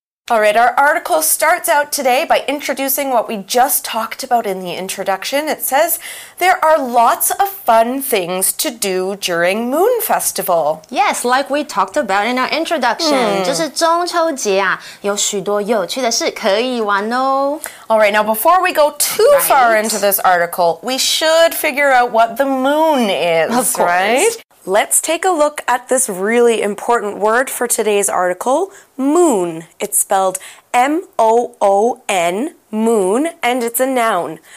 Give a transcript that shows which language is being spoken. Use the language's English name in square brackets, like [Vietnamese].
[English] All right, our article starts out today by introducing what we just talked about in the introduction. It says, there are lots of fun things to do during Moon Festival. Yes, like we talked about in our introduction. [Chinese] 就是中秋节啊，有许多有趣的事可以玩哦。 [English] All right, now before we go too far into this article, we should figure out what the moon is, of course. Right? Let's take a look at this really important word for today's article, moon. It's spelled M-O-O-N, moon, and it's a noun.